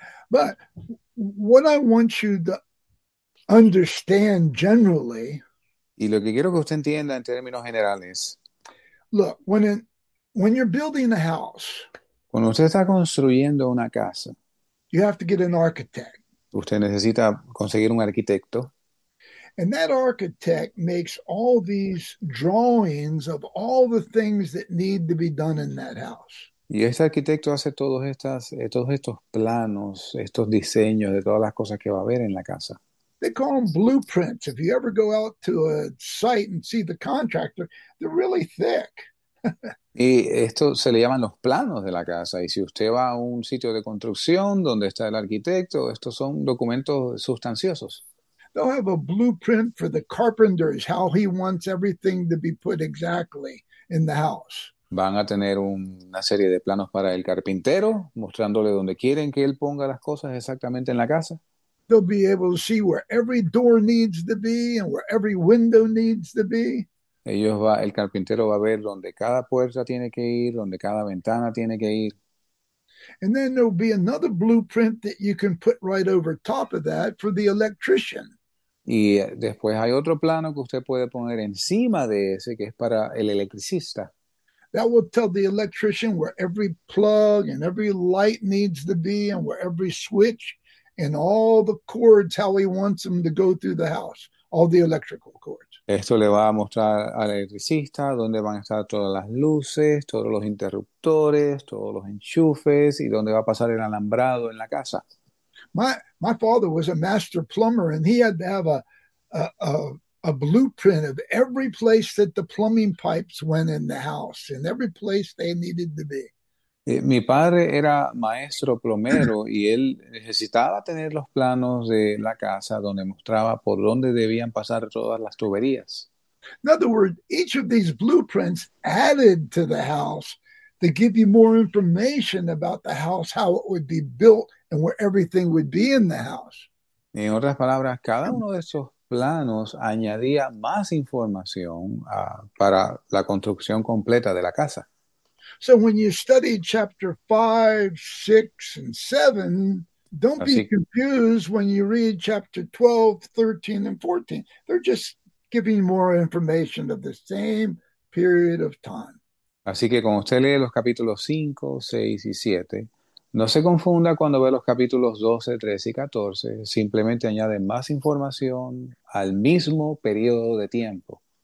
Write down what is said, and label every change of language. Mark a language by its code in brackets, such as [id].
[en] But what I want you to understand generally, [es] Y lo que quiero que usted entienda en términos generales, [en] look, when you're building a house, [es] cuando usted está construyendo una casa, [en] you have to get an architect. [es] usted necesita conseguir un arquitecto. [en] And that architect makes all these drawings of all the things that need to be done in that house. [es] Y este arquitecto hace todos estos planos, estos diseños de todas las cosas que va a haber en la casa. [en] They call them blueprints. If you ever go out to a site and see the contractor, they're really thick. [es] Y esto se le llaman los planos de la casa. Y si usted va a un sitio de construcción donde está el arquitecto, estos son documentos sustanciosos. [en] They'll have a blueprint for the carpenters, how he wants everything to be put exactly in the house. [es] Van a tener una serie de planos para el carpintero, mostrándole dónde quieren que él ponga las cosas exactamente en la casa. [en] They'll be able to see where every door needs to be and where every window needs to be. [es] El carpintero va a ver dónde cada puerta tiene que ir, dónde cada ventana tiene que ir. [en] And then there'll be another blueprint that you can put right over top of that for the electrician. [es] Y después hay otro plano que usted puede poner encima de ese, que es para el electricista. [en] That will tell the electrician where every plug and every light needs to be and where every switch. And all the cords, how he wants them to go through the house, all the electrical cords. [es] Esto le va a mostrar al electricista dónde van a estar todas las luces, todos los interruptores, todos los enchufes y dónde va a pasar el alambrado en la casa. [en] My father was a master plumber, and he had to have a blueprint of every place that the plumbing pipes went in the house and every place they needed to be. [es] Mi padre era maestro plomero y él necesitaba tener los planos de la casa donde mostraba por dónde debían pasar todas las tuberías. [en] In other words, each of these blueprints added to the house to give you more information about the house, how it would be built, and where everything would be in the house. [es] En otras palabras, cada uno de esos planos añadía más información para la construcción completa de la casa. [en] So when you study chapter 5, 6, and 7, don't be [es] Así. [en] confused when you read chapter 12, 13, and 14. They're just giving more information of the same period of time. [es] Así que cuando usted lee los capítulos 5, 6 y 7, no se confunda cuando ve los capítulos 12, 13 y 14, simplemente añade más información al mismo periodo de tiempo.